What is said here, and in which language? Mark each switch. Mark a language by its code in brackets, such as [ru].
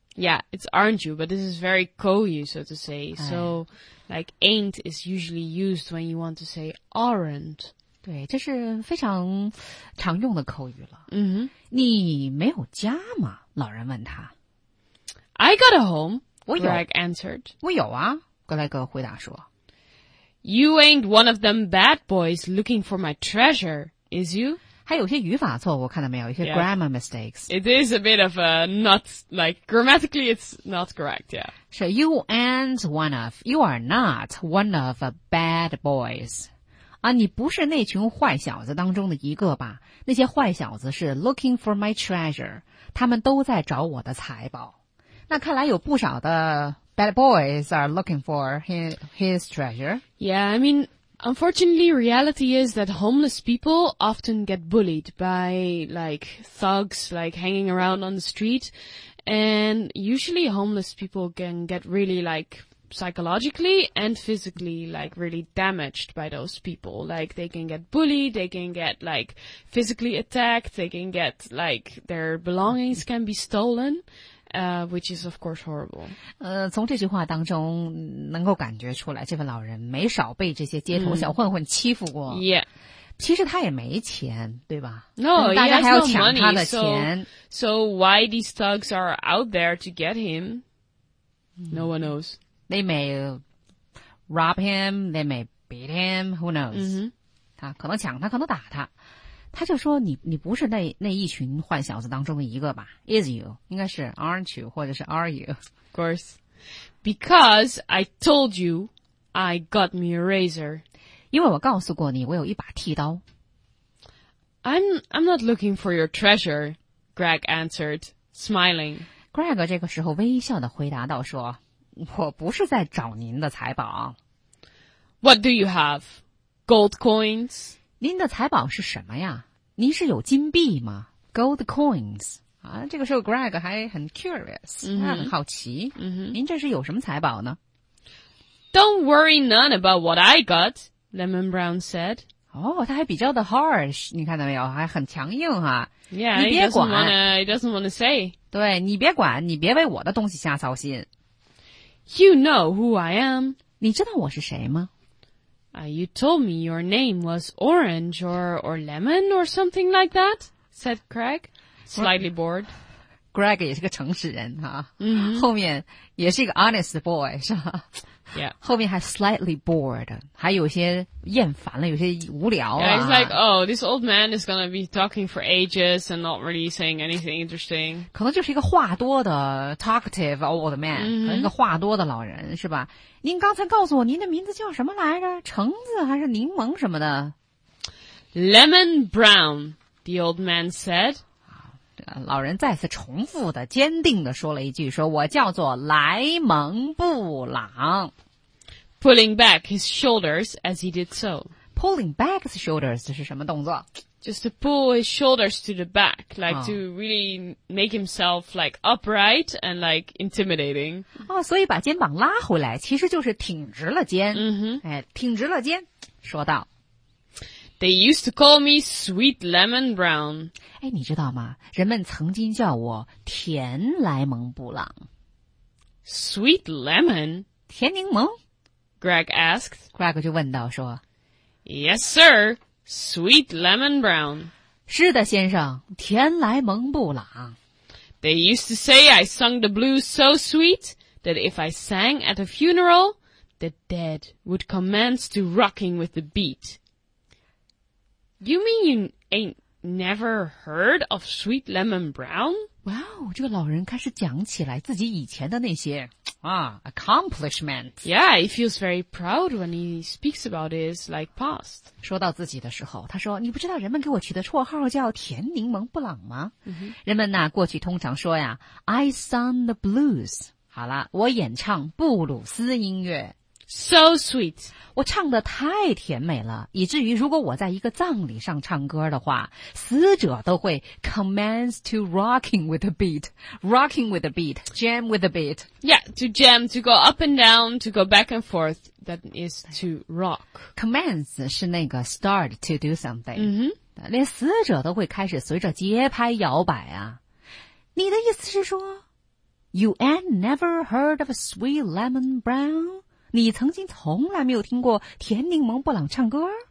[en] Yeah, it's aren't you, but this is very co-you, so to say.、哎、so, like, ain't is usually used when you want to say aren't. [zh] 对，这是非常常用的口语了。嗯、mm-hmm. 你没有家吗？老人问他。 [en] I got a home. Greg answered. [zh] 我有啊，格莱格回答说。 [en] You ain't one of them bad boys looking for my treasure, is you? [zh] 还有些语法错误，看到没有？一些 [en] grammar mistakes. It is a bit of a not, like, grammatically it's not correct, yeah. So you ain't one of, you are not one of bad boys. [zh] 啊，你不是那群坏小子当中的一个吧？那些坏小子是 [en] looking for my treasure, [zh] 他们都在找我的财宝。那看来有不少的 [en] bad boys are looking for his treasure. Yeah, I mean, unfortunately, reality is that homeless people often get bullied by, like, thugs, like, hanging around on the street. And usually homeless people can get really, like, psychologically and physically, like, really damaged by those people. Like, they can get bullied, they can get, like, physically attacked, they can get, like, their belongings can be stolen. Which is of course horrible. [zh] 从这句话当中能够感觉出来，这位老人没少被这些街头小混混欺负过。 Mm. Yeah. 其实他也没钱，对吧？ [en] No, [zh] 大家还要抢他的钱。 [en] So why these thugs are out there to get him? No one knows. They may rob him, they may beat him, who knows?、 Mm-hmm. [zh] 他可能抢他，可能打他。他就说你不是那一群坏小子当中的一个吧 ？ [en] Is you [zh] 应该是 [en] aren't you [zh] 或者是 [en] are you？ Of course, because I told you I got me a razor. [zh] 因为我告诉过你，我有一把剃刀。 [en] I'm not looking for your treasure, Greg answered, smiling. [zh] Greg 这个时候微笑地回答道说，我不是在找您的财宝。 [en] What do you have? Gold coins? [zh] 您的财宝是什么呀？您是有金币吗？ [en] Gold coins. [zh] 啊，这个时候 Greg 还很 [en] curious,、 mm-hmm. [zh] 很好奇。 Mm-hmm. 您这是有什么财宝呢？ [en] Don't worry none about what I got, Lemon Brown said. [zh] 哦，他还比较的 harsh, 你看到没有，还很强硬哈。 [en] Yeah, [zh] 你别管， [en] he doesn't wanna say. [zh] 对，你别管，你别为我的东西瞎操心。 [en] You know who I am. [zh] 你知道我是谁吗？ [en] You told me your name was Orange or Lemon or something like that, said Greg, slightly bored. [zh] Greg 也是个诚实人哈、 mm-hmm. 后面也是一个 [en] honest boy, [zh] 是吧？ [en] Yeah. [zh] 后面还 [en] slightly bored, [zh] 还有些厌烦了，有些无聊啊。 [en] Yeah, he's like, oh, this old man is gonna be talking for ages and not really saying anything interesting. [zh] 可能就是一个话多的 [en] talkative old man,、 mm-hmm. [zh] 可能一个话多的老人，是吧？您刚才告诉我您的名字叫什么来着？橙子还是柠檬什么的？ [en] Lemon Brown, the old man said. [zh] 老人再次重复的坚定的说了一句，说我叫做莱蒙布朗。 [en] Pulling back his shoulders as he did so. Pulling back his shoulders [zh] 是什么动作？ [en] Just to pull his shoulders to the back, like、oh. to really make himself like upright and like intimidating. [zh] 哦、oh, ，所以把肩膀拉回来，其实就是挺直了肩。嗯哼，哎，挺直了肩，说道。 [en] They used to call me Sweet Lemon Brown. [zh] 哎，你知道吗？人们曾经叫我甜莱蒙布朗。 [en] Sweet Lemon? [zh] 甜柠檬？ [en] Greg asked. [zh] Greg 就问道说 [en] Yes, sir. Sweet Lemon Brown. [zh] 是的先生甜莱蒙布朗 [en] They used to say I sung the blues so sweet that if I sang at a funeral, the dead would commence to rocking with the beat. You mean you ain't never heard of Sweet Lemon Brown? [zh] Wow, 这个老人开始讲起来自己以前的那些accomplishment. [en] Yeah, he feels very proud when he speaks about his, like, past. [zh] 说到自己的时候，他说，你不知道人们给我取的绰号叫甜柠檬布朗吗？ Mm-hmm. 人们呢，过去通常说呀， [en] I sung the blues. [zh] 好了，我演唱布鲁斯音乐。 [en] So sweet. [zh] 我唱得太甜美了，以至于如果我在一个葬礼上唱歌的话，死者都会 [en] commence to rocking with the beat. [zh] Rocking with the beat. Jam with the beat. [en] Yeah, to jam, to go up and down, to go back and forth. That is to rock. Commence [zh] 是那个 [en] start to do something. Mm-hmm. [zh] 连死者都会开始随着节拍摇摆啊。你的意思是说 [en] You ain't never heard of a Sweet Lemon Brown? [zh] 你曾经从来没有听过甜柠檬布朗唱歌